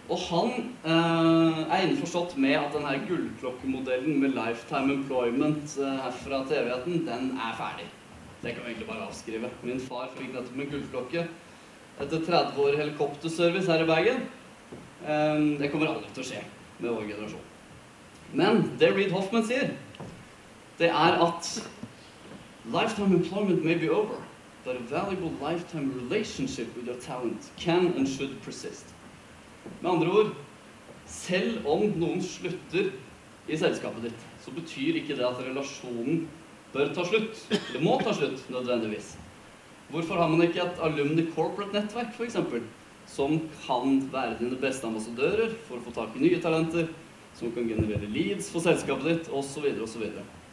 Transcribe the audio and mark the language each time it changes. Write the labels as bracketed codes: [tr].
[no] Og han innforstått med at den her gullklokkemodellen med lifetime employment herfra til evigheten, den ferdig. Det kan vi egentlig bare avskrive. Min far fikk nettopp med gullklokke etter 30 år helikopterservice her I Bergen. Det kommer aldri til å skje med vår generasjon. Men det Reid Hoffman sier, det at [en] lifetime employment may be over, but a valuable lifetime relationship with your talent can and should persist. [no] Med andre ord, selv om noen slutter I selskapet ditt, så betyr ikke det at relasjonen bør ta slutt, eller må ta slutt nødvendigvis. Hvorfor har man ikke et alumni corporate nettverk, for eksempel, som kan være dine beste ambassadører for å få tak I nye talenter, som kan generere leads for selskapet ditt, og så videre, og så videre.